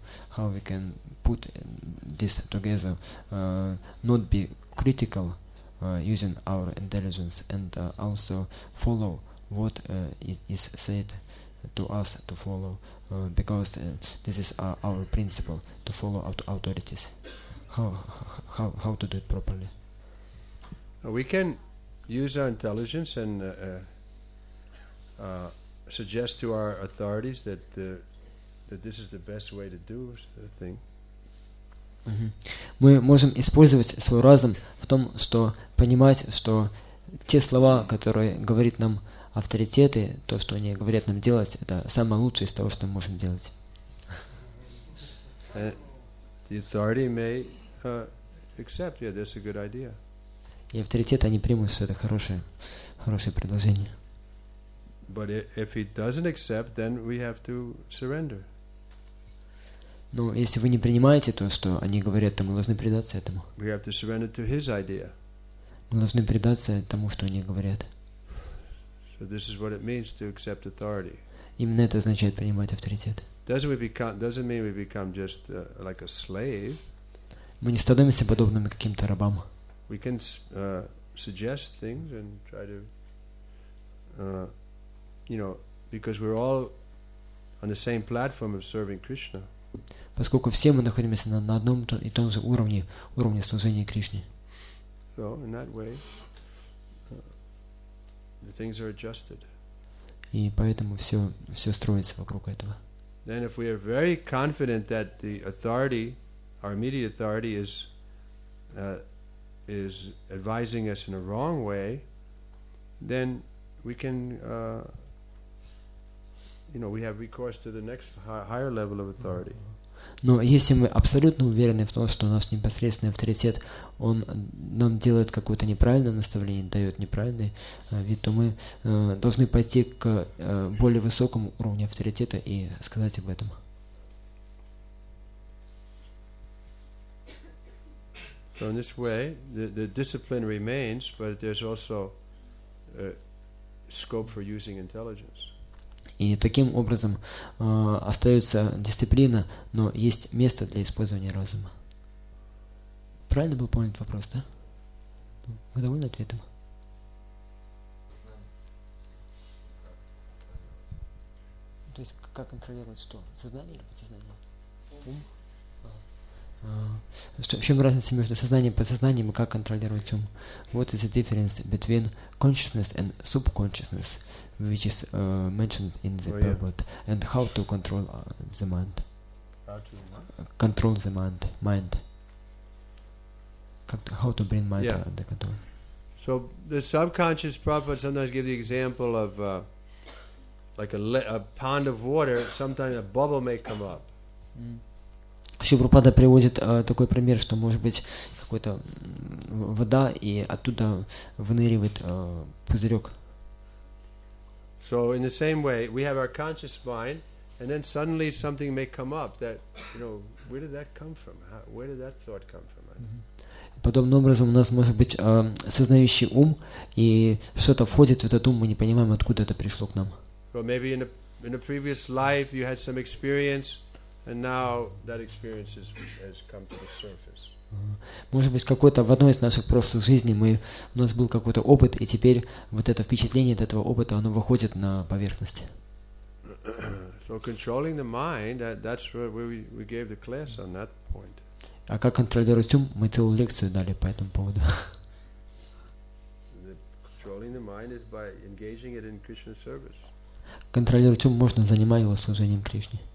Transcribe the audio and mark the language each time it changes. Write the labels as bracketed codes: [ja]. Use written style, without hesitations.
[en] how we can put this together, not be critical using our intelligence, and also follow what is said to us to follow, because this is our principle, to follow authorities. How to do it properly? We can use our intelligence and suggest to our authorities that this is the best way to do the thing. [ru] Мы можем использовать свой разум в том, что понимать, что те слова, которые говорит нам авторитеты, то, что они говорят нам делать, это самое лучшее из того, что мы можем делать. И авторитеты, они примут, что это хорошее предложение. [en] But if he doesn't accept, then we have to surrender. [ru] Но если вы не принимаете то, что они говорят, то мы должны предаться этому. [en] We have to surrender to his idea. [ru] Мы должны предаться тому, что они говорят. [en] So this is what it means to accept authority. [ru] Именно это означает принимать авторитет. [en] Doesn't mean we become just like a slave. [ru] Мы не становимся подобными каким-то рабам. [en] We can suggest things and try to, because we're all on the same platform of serving Krishna. [ru] Поскольку все мы находимся на одном и том же уровне служения Кришне. [en] So in that way, the things are adjusted. [ru] И поэтому все строится вокруг этого. [en] Then if we are very confident that the authority, our immediate authority is is advising us in a wrong way, then we can, you know, we have recourse to the next higher level of authority. [ru] Но если мы абсолютно уверены в том, что у нас непосредственный авторитет, он нам делает какое-то неправильное наставление, дает неправильный вид, то мы должны пойти к более высокому уровню авторитета и сказать об этом. [en] So in this way, the discipline remains, but there's also scope for using intelligence. [ru] И таким образом остается дисциплина, но есть место для использования разума. Правильно был понят вопрос, да? Вы довольны ответом? То есть как контролировать что? Сознание или подсознание? Ум? В чем разница между сознанием и подсознанием, и как контролировать ум? [en] What is the difference between consciousness and subconsciousness, which is mentioned in the purport, and how to control the mind? Control the mind. Mind. How to bring mind under control. So the subconscious Prabhupada sometimes gives the example of like a pond of water, sometimes a bubble may come up. [ru] Шри Прабхупада приводит такой пример, что может быть какой-то вода, и оттуда выныривает пузырек. [en] So in the same way, we have our conscious mind, and then suddenly something may come up that, you know, where did that come from? Where did that thought come from? [ru] Подобным образом у нас может быть сознающий ум, и что-то входит в этот ум, мы не понимаем, откуда это пришло к нам. [en] Well, maybe in a previous life you had some experience, and now that experience has come to the surface. [ru] Может быть, какой-то в одной из наших прошлых жизней мы у нас был какой-то опыт, и теперь вот это впечатление от этого опыта, оно выходит на поверхность. [en] So controlling the mind, that's where we gave the class on that point. [ru] А как контролировать ум? Мы целую лекцию дали по этому поводу. [en] Controlling the mind is by engaging it in Krishna service. [ru] Контролировать ум можно, занимая его служением Кришне.